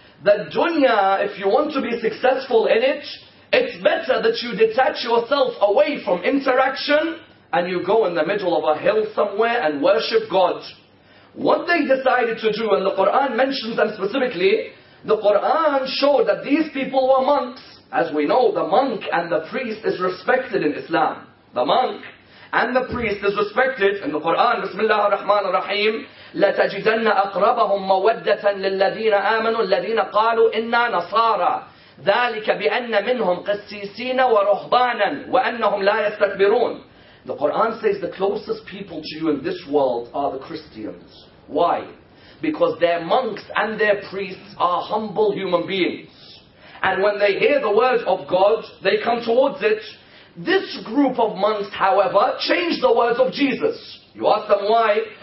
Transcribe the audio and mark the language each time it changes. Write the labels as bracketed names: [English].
[English] That dunya, if you want to be successful in it, it's better that you detach yourself away from interaction and you go in the middle of a hill somewhere and worship God. What they decided to do, and the Quran mentions them specifically, the Quran showed that these people were monks. As we know, the monk and the priest is respected in Islam. The monk and the priest is respected. In the Quran, Bismillah ar-Rahman ar-Rahim, [Arabic] لَتَجِدَنَّ أَقْرَبَهُمْ مَوَدَّةً لِلَّذِينَ آمَنُوا الَّذِينَ قَالُوا إِنَّا نَصَارَى ذَلِكَ بِأَنَّ مِنْهُمْ قِسِّيسِينَ وَرُهْبَانًا وَأَنَّهُمْ لَا يَسْتَكْبِرُونَ. [English] The Quran says the closest people to you in this world are the Christians. Why? Because their monks and their priests are humble human beings. And when they hear the word of God, they come towards it. This group of monks, however, changed the words of Jesus. You ask them why?